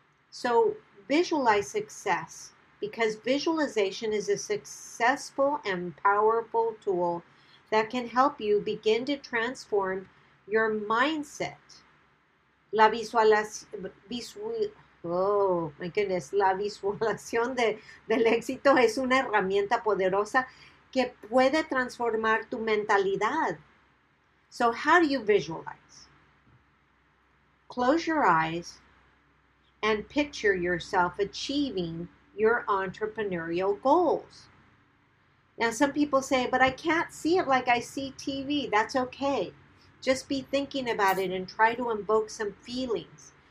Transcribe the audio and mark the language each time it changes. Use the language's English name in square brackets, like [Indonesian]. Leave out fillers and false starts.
[English] So visualize success because visualization is a successful and powerful tool that can help you begin to transform your mindset. [Spanish] La visualiz visual [English] Oh, my goodness, [Spanish] la visualización del éxito es una herramienta poderosa que puede transformar tu mentalidad. [English] So, how do you visualize? Close your eyes and picture yourself achieving your entrepreneurial goals. Now, some people say, but I can't see it like I see TV. That's okay. Just be thinking about it and try to invoke some feelings.